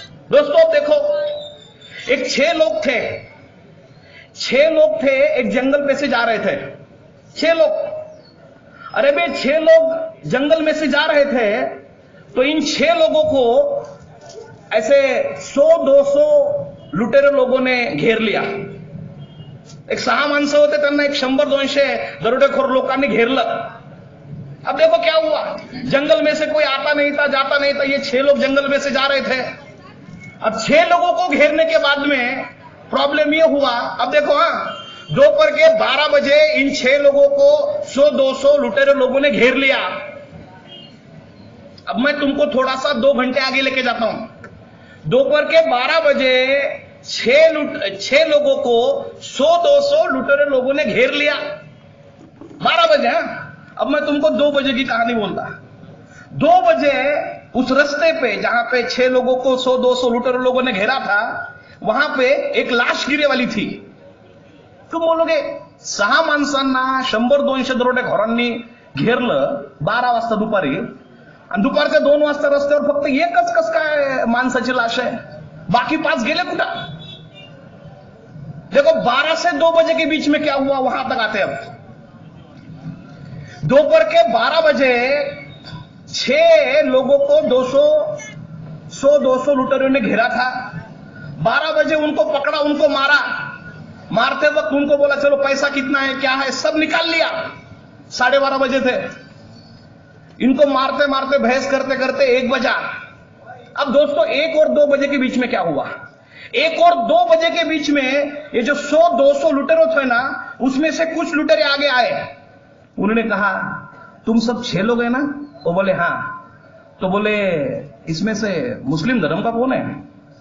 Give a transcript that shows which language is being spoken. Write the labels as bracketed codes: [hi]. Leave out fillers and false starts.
[hi] दोस्तों देखो, एक 6 लोग थे, 6 लोग थे, एक जंगल में से जा रहे थे 6 लोग। अरे बे, 6 लोग जंगल में से जा रहे थे तो इन 6 लोगों को ऐसे 100-200 लुटेरे लोगों ने घेर लिया। [mr] एक 6 माणसं होते त्यांना 100-200 दरोडेखोर लोकांनी घेरलं। [hi] अब देखो क्या हुआ, जंगल में से कोई आता नहीं था जाता नहीं था, ये 6 लोग जंगल में से जा रहे थे। अब 6 लोगों को घेरने के बाद में प्रॉब्लम ये हुआ, अब देखो हाँ, दोपहर के 12 बजे इन 6 लोगों को 100-200 लुटेरे लोगों ने घेर लिया। अब मैं तुमको थोड़ा सा 2 घंटे आगे लेके जाता हूं। दोपहर के 12 बजे 6 लोगों को 100-200 लुटेरे लोगों ने घेर लिया, 12 बजे। अब मैं तुमको 2 बजे की कहानी बोलता, 2 बजे उस रस्ते पे जहां पे 6 लोगों को 100-200 लुटेरे लोगों ने घेरा था, वहां पे एक लाश गिरे वाली थी। [mr] तुम बोलोगे 6 माणसांना 100-200 दरोडे घोरांनी घेरलं 12 वाजता दुपारी, आणि दुपारच्या 2 वाजता रस्त्यावर फक्त एकच कस काय माणसाची लाश आहे, बाकी 5 गेले कुठे? [hi] देखो 12 से 2 बजे के बीच में क्या हुआ वहां तक आते। अब दोपहर के 12 बजे 6 लोगों को 100-200 लुटेरों ने घेरा था, 12 बजे उनको पकड़ा, उनको मारा, मारते वक्त उनको बोला चलो पैसा कितना है क्या है सब निकाल लिया, 12:30 बजे थे। इनको मारते मारते बहस करते करते 1 बजा। अब दोस्तों 1 और 2 बजे के बीच में क्या हुआ, 1 और 2 बजे के बीच में ये जो 100-200 लुटेरों थे ना, उसमें से कुछ लुटेरे आगे आए, उन्होंने कहा तुम सब 6 लोग है ना? वो बोले हाँ। तो बोले इसमें से मुस्लिम धर्म का कौन है?